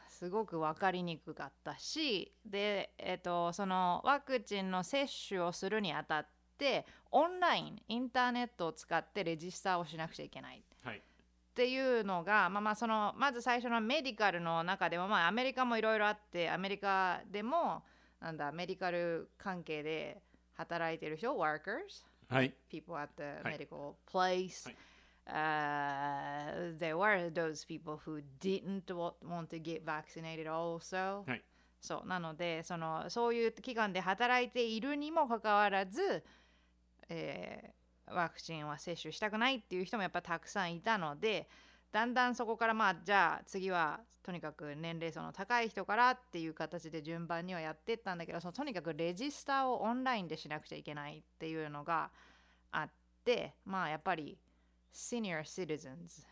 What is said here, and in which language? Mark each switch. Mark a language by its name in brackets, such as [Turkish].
[Japanese] すごく分かりにくかったしで、そのワクチンの接種をするにあたってオンラインインターネットを使ってレジスターをしなくちゃいけない、はいっていうのが、まあ、そのまず最初のメディカルの中でも、まあ、アメリカもいろいろあってアメリカでもなんだメディカル関係で働いてる人 workers、はい、 [English] people at the medical、はい、place、 [Japanese] はい [English] there were those people who didn't want to get vaccinated also、 [Japanese] はい、そうなのでそのそういう期間で働いているにもかかわらず、ワクチンは接種したくないっていう人もやっぱたくさんいたのでだんだんそこからまあじゃあ次はとにかく年齢層の高い人からっていう形で順番にはやってったんだけどそのとにかくレジスターをオンラインでしなくちゃいけないっていうのがあってまあやっぱりシニアシティズンズ、